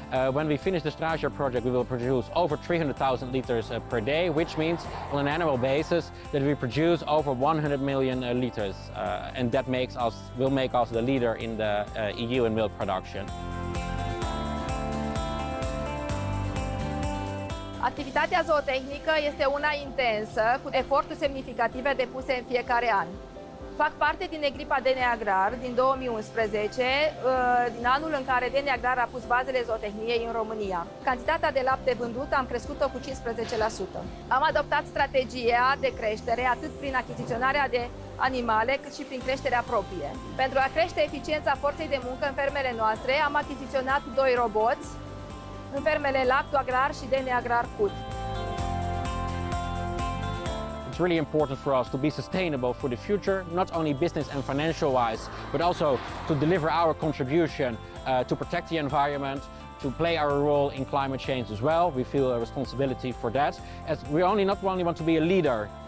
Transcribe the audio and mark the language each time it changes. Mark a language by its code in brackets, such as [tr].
[en] When we finish the Strasia project, we will produce over 300,000 liters per day, which means on an annual basis that we produce over 100 million liters. And that will make us the leader in the EU in milk production. [ro] Activitatea zootehnică este una intensă, cu eforturi semnificative depuse în fiecare an. Fac parte din echipa DNA Agrar din 2011, din anul în care DNA Agrar a pus bazele zootehniei în România. Cantitatea de lapte vândută am crescut-o cu 15%. Am adoptat strategia de creștere atât prin achiziționarea de animale, cât și prin creșterea proprie. Pentru a crește eficiența forței de muncă în fermele noastre, am achiziționat 2 roboți în fermele Lacto Agrar și DNA Agrar Cut. [en] It's really important for us to be sustainable for the future, not only business and financial wise, but also to deliver our contribution to protect the environment, to play our role in climate change as well. We feel a responsibility for that, as we only not only want to be a leader